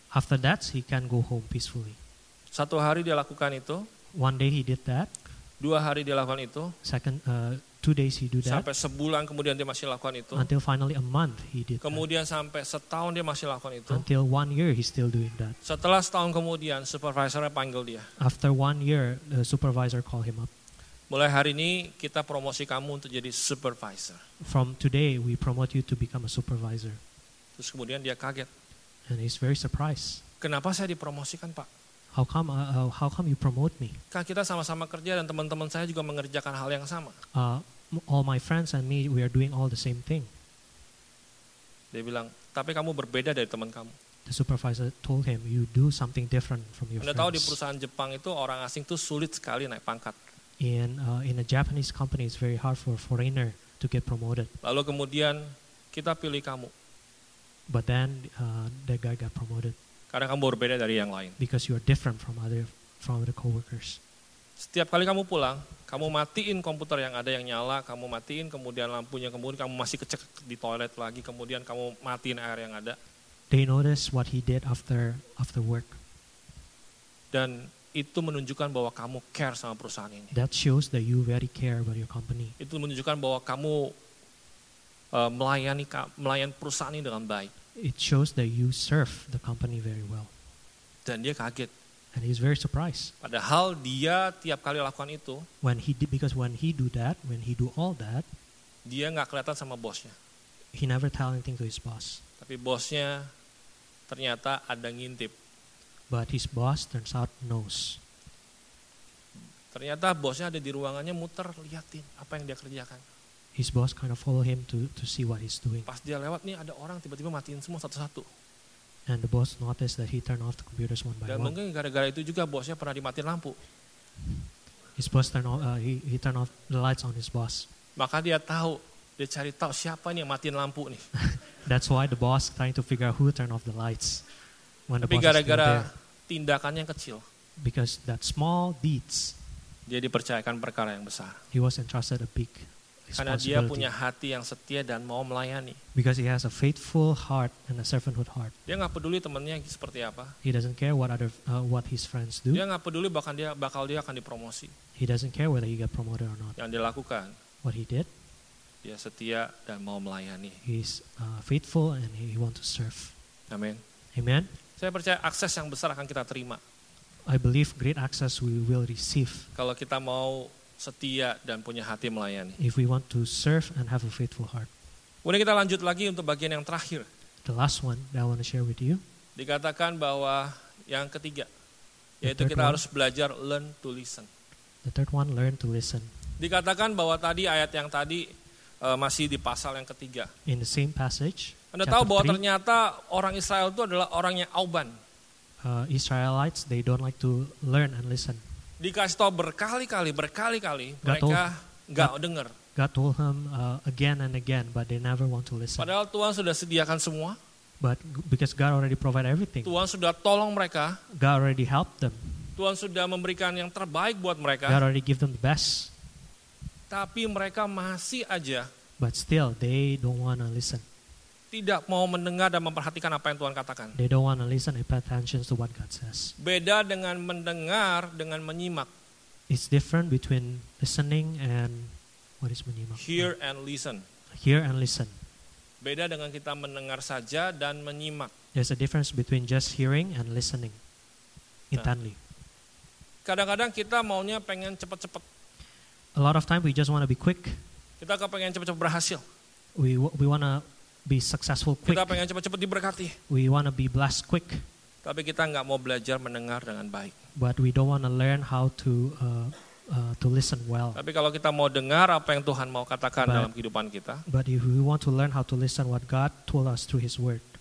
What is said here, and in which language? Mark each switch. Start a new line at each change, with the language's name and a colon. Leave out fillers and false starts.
English: After that, he can go home peacefully.
Indonesian: Satu hari dia lakukan itu.
English: One day he did that.
Indonesian: Dua hari dia lakukan itu.
English: Second, 2 days he do that.
Indonesian: Sampai sebulan kemudian dia masih lakukan itu.
English: Until finally a month he did.
Indonesian: Kemudian
English: that.
Indonesian: Sampai setahun dia masih lakukan itu.
English: Until 1 year he still doing that.
Indonesian: Setelah setahun kemudian supervisornya panggil dia.
English: After 1 year the supervisor call him up.
Indonesian: Mulai hari ini kita promosi kamu untuk jadi supervisor.
English: From today we promote you to become a supervisor.
Indonesian: Terus kemudian dia kaget.
English: And he's very surprised.
Indonesian: Kenapa saya dipromosikan, Pak?
English: How come you promote me?
Indonesian: Kan kita sama-sama kerja dan teman-teman saya juga mengerjakan hal yang sama.
English: All my friends and me, we are doing all the same thing.
Indonesian: Dia bilang, tapi kamu berbeda dari teman kamu.
English: The supervisor told him, you do something different from your
Indonesian: Anda
English: friends.
Indonesian: Anda tahu di perusahaan Jepang itu orang asing itu sulit sekali naik pangkat.
English: In a Japanese company, it's very hard for a foreigner to get promoted.
Indonesian: Lalu kemudian kita pilih kamu.
English: But then the guy got promoted.
Indonesian: Karena kamu berbeda dari yang lain.
English: Because you are different from the coworkers.
Indonesian: Setiap kali kamu pulang, kamu matiin komputer yang ada yang nyala, kamu matiin kemudian lampunya, kemudian kamu masih kecek di toilet lagi, kemudian kamu matiin air yang ada.
English: They notice what he did after work.
Indonesian: Dan itu menunjukkan bahwa kamu care sama perusahaan ini.
English: That shows that you very care about your company.
Indonesian: Itu menunjukkan bahwa kamu melayani perusahaan ini dengan baik.
English: It shows that you serve the company very well.
Indonesian: Dan dia kaget.
English: And he's very surprised.
Indonesian: Padahal dia tiap kali lakukan itu,
English: when he do all that,
Indonesian: dia enggak kelihatan sama bosnya.
English: He never tell anything to his boss.
Indonesian: Tapi bosnya ternyata ada ngintip.
English: But his boss turns out knows.
Indonesian: Ternyata bosnya ada di ruangannya muter liatin apa yang dia kerjakan.
English: His boss kind of follow him to see what he's doing.
Indonesian: Pas dia lewat nih ada orang tiba-tiba matiin semua satu-satu.
English: And the boss noticed that he turned off the computers one by one.
Indonesian: Dan mungkin gara-gara itu juga bosnya pernah dimatiin lampu.
English: His boss turned off the lights on his boss.
Indonesian: Maka dia tahu, dia cari tahu siapa nih yang matiin lampu nih.
English: That's why the boss trying to figure out who turned off the lights.
Indonesian: Tapi gara-gara tindakannya yang kecil.
English: Because that small deeds.
Indonesian: Dia dipercayakan perkara yang besar.
English: He was entrusted a big.
Indonesian: Karena dia punya hati yang setia dan mau melayani.
English: Because he has a faithful heart and a servanthood heart.
Indonesian: Dia enggak peduli temannya seperti apa.
English: He doesn't care what his friends do.
Indonesian: Dia enggak peduli bahkan dia bakal dia akan dipromosi.
English: He doesn't care whether he got promoted or not.
Indonesian: Yang dia lakukan.
English: What he did.
Indonesian: Dia setia dan mau melayani.
English: He's faithful and he wants to serve. Amen. Amen.
Indonesian: Saya percaya akses yang besar akan kita terima.
English: I believe great access we will receive.
Indonesian: Kalau kita mau setia dan punya hati melayani.
English: If we want to serve and have a faithful heart.
Indonesian: Kemudian kita lanjut lagi untuk bagian yang terakhir.
English: The last one that I want to share with you.
Indonesian: Dikatakan bahwa yang ketiga, yaitu kita harus belajar
English: learn to listen. The third one, learn to listen.
Indonesian: Dikatakan bahwa tadi ayat yang tadi masih di pasal yang ketiga.
English: In the same passage.
Indonesian: Anda tahu bahwa ternyata orang Israel itu adalah orang yang auban.
English: Israelites, they don't like to learn and listen.
Indonesian: Dikasih tahu berkali-kali, mereka nggak dengar.
English: God told him again and again, but they never want to listen.
Indonesian: Padahal Tuhan sudah sediakan semua.
English: But because God already provide everything.
Indonesian: Tuhan sudah tolong mereka.
English: God already helped them.
Indonesian: Tuhan sudah memberikan yang terbaik buat mereka.
English: God already give them the best.
Indonesian: Tapi mereka masih aja.
English: But still, they don't want to listen.
Indonesian: Tidak mau mendengar dan memperhatikan apa yang Tuhan katakan.
English: They don't want to listen and pay attention to what God says.
Indonesian: Beda dengan mendengar dengan menyimak.
English: It's different between listening and what is menyimak. Hear and listen. Hear and listen.
Indonesian: Beda dengan kita mendengar saja dan menyimak.
English: There's a difference between just hearing and listening intently. Nah,
Indonesian: kadang-kadang kita maunya pengen cepat-cepat.
English: A lot of time we just want to be quick.
Indonesian: Kita kepengen cepat-cepat berhasil.
English: We want to be successful quick.
Indonesian: Kita pengen cepat-cepat diberkati.
English: We want to be blessed quick.
Indonesian: Tapi kita enggak mau belajar mendengar dengan baik.
English: But we don't want to learn how to listen well.
Indonesian: Tapi kalau kita mau dengar apa yang Tuhan mau katakan dalam kehidupan kita.
English: But if we want to learn how to listen what God told us through his word.